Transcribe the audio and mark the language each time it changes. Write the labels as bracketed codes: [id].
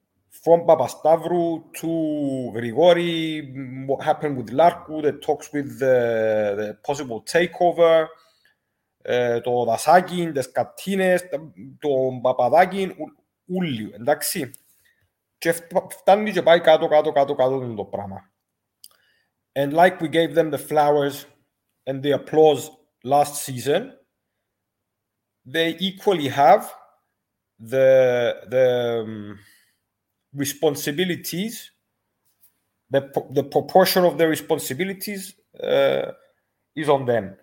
[en] From Papastavrou to Grigori, what happened with Larku, the talks with the possible takeover, to Dasagin, Descartines, to Papadagin, Ulliu, and Daxi. [el] Jeff φτάνει και πάει κάτω με το πράγμα. [en] And like we gave them the flowers and the applause last season, they equally have the responsibilities, the proportion of their responsibilities is on them.